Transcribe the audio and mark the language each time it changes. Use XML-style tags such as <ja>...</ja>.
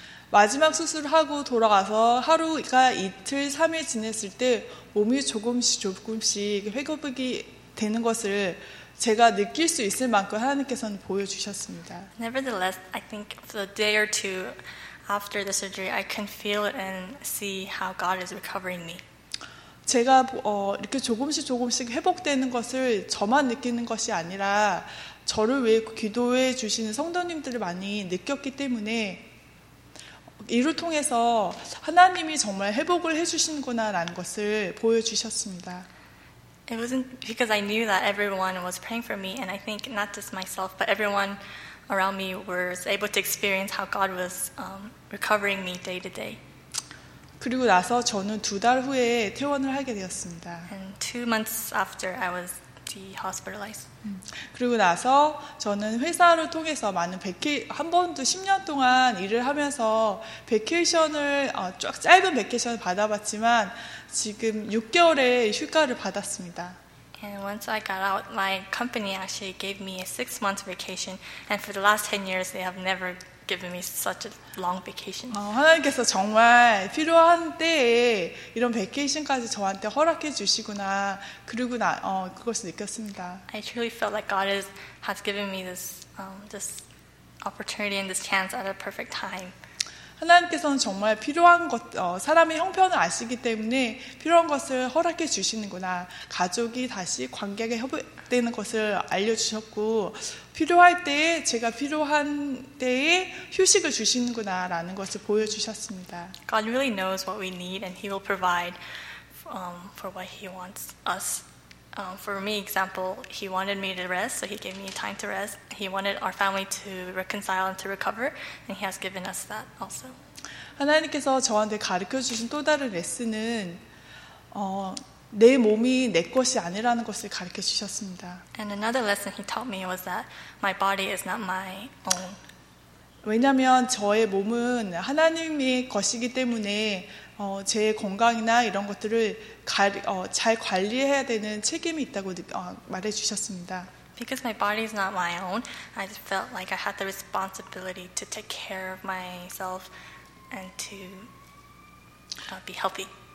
<ko>마지막 수술을 하고 돌아가서 하루가 이틀, 삼일 지냈을 때 몸이 조금씩 회복이 되는 것을 제가 느낄 수 있을 만큼 하나님께서는 보여주셨습니다.</ko> <en>Nevertheless, I think for a day or two after the surgery, I can feel and see how God is recovering me.</en> <ko>제가 이렇게 조금씩 회복되는 것을 저만 느끼는 것이 아니라 저를 위해 기도해 주시는 성도님들을 많이 느꼈기 때문에 이를 통해서 하나님이 정말 회복을 해주시는구나라는 것을 보여주셨습니다.</ko> <en>It wasn't because I knew that everyone was praying for me, and I think not just myself, but everyone around me was able to experience how God was recovering me day to day.</en> <ko>그리고 나서 저는 두 달 후에 퇴원을 하게 되었습니다.</ko> <en>And 2 months after I was dehospitalized.</en> <ko>그리고 나서 저는 회사를 통해서 많은 한 번도 10년 동안 일을 하면서 짧은 베케이션을 받아봤지만 지금 6개월의 휴가를 받았습니다.</ko> <en>And once I got out, my company actually gave me a 6-month vacation, and for the last 10 years, they have never given me such a long vacation.</en> <ko>하나님께서 정말 필요한 때에 이런 베케이션까지 저한테 허락해 주시구나. 그리고 그것을 느꼈습니다.</ko> <en>I truly felt like God has given me this opportunity and this chance at a perfect time.</en> <ko>하나님께서는 정말 필요한 것, 사람의 형편을 아시기 때문에 필요한 것을 허락해 주시는구나. 가족이 다시 관계가 회복되는 것을 알려주셨고 필요할 때에 제가 필요한 때에 휴식을 주시는구나라는 것을 보여주셨습니다.</ko> <en>God really knows what we need and He will provide for what He wants us. For me, example, He wanted me to rest, so He gave me time to rest. He wanted our family to reconcile and to recover, and He has given us that also.</en> <ko>하나님께서 저한테 가르쳐 주신 또 다른 레슨은 내 몸이 내 것이 아니라는 것을 가르쳐 주셨습니다.</ko> <en>And another lesson He taught me was that my body is not my own.</en> <ko>왜냐하면 저의 몸은 하나님의 것이기 때문에 제 건강이나 이런 것들을 잘 관리해야 되는 책임이 있다고 말해 주셨습니다.</ko> <en>Because my body is not my own, I just felt like I had the responsibility to take care of myself and to be healthy.</en>